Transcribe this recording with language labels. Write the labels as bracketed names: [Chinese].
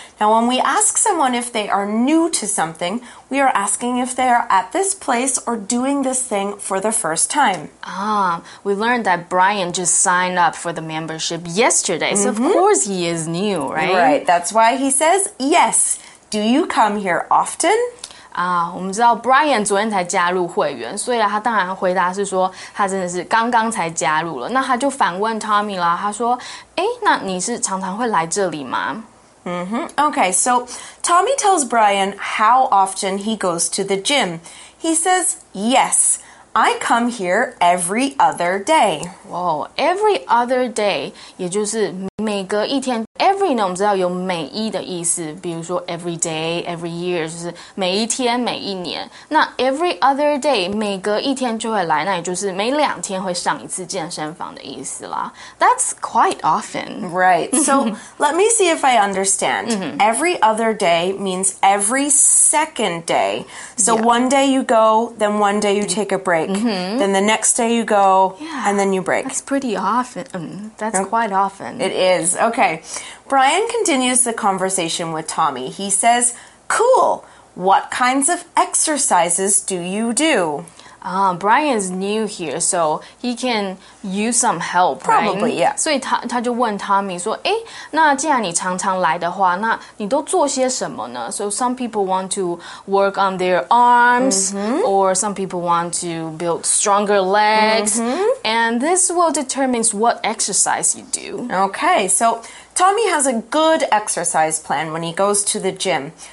[English] Now, when we ask someone if they are new to something, we are asking if they are at this place or doing this thing for the first time. Ah, we learned that Brian just signed up for the membership yesterday, so of course he is new, right? Right, that's why he says, yes, do you come here often? [Chinese] 我们知道 Brian 昨天才加入会员，所以他当然回答是说他真的是刚刚才加入了。那他就反问 Tommy 啦，他说：“那你是常常会来这里吗？” [English] Okay, so Tommy tells Brian how often he goes to the gym. He says, "Yes, I come here every other day." [Chinese] Wow, every other day， 也就是每隔一天。 Every 呢，我们知道有每一的意思，比如说 every day, every year， 就是每一天、每一年。那 every other day， 每隔一天就会来，那也就是每两天会上一次健身房的意思啦。 [English] That's quite often. Right. So let me see if I understand. Every other day means every second day. So one day you go, then one day you take a break, then the next day you go, and then you break. That's pretty often. That's quite often. It is. Okay. Brian continues the conversation with Tommy. He says, cool, what kinds of exercises do you do? Brian's new here, so he can use some help, Probably, right? Probably, yeah. [Chinese] 所以他就问 Tommy 说，那既然你常常来的话，那你都做些什么呢？ [English] So some people want to work on their arms, or some people want to build stronger legs, and this will determine what exercise you do. Okay, so... Tommy has a good exercise plan when he goes to the gym.